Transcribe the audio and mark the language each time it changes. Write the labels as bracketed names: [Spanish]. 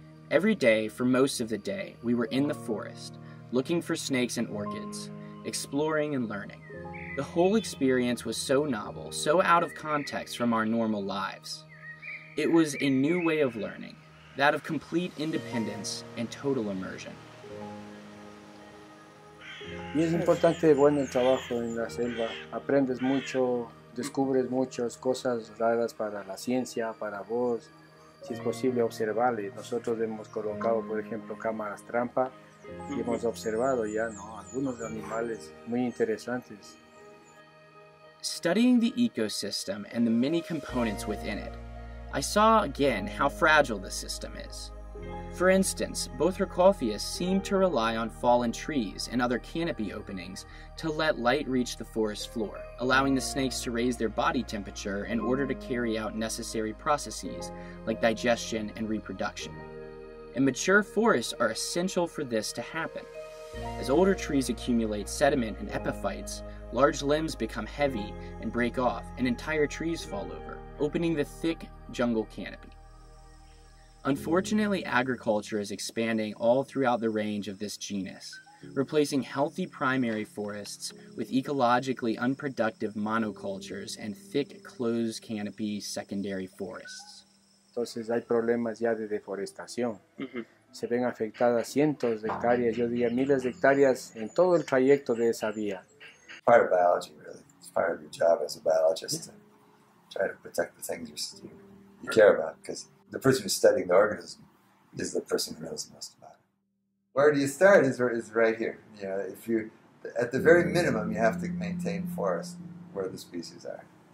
[English] Every day, for most of the day, we were in the forest, looking for snakes and orchids, exploring and learning. The whole experience was so novel, so out of context from our normal lives. It was a new way of learning, that of complete independence and total immersion. [Spanish] Es importante bueno el trabajo en la selva. Aprendes mucho, descubres muchas cosas raras para la ciencia, para vos, si es posible observarle. Nosotros hemos colocado, por ejemplo, cámaras trampa y hemos observado ya, ¿no?, algunos animales muy interesantes. [English] Studying the ecosystem and the many components within it, I saw again how fragile the system is. For instance, Bothracophius seemed to rely on fallen trees and other canopy openings to let light reach the forest floor, allowing the snakes to raise their body temperature in order to carry out necessary processes like digestion and reproduction. And mature forests are essential for this to happen. As older trees accumulate sediment and epiphytes, large limbs become heavy and break off, and entire trees fall over, opening the thick jungle canopy. Unfortunately, agriculture is expanding all throughout the range of this genus, replacing healthy primary forests with ecologically unproductive monocultures and thick, closed canopy secondary forests. [Spanish] Entonces, hay problemas ya de deforestación. Se ven afectadas cientos de hectáreas, yo diría miles de hectáreas, en todo el trayecto de esa vía. [English] Part of biology, really. It's part of your job as a biologist to try to protect the things you care about, because the person who's studying the organism is the person who knows the most about it. Where do you start is right here. You know, if you, at the very minimum, you have to maintain forests where the species are.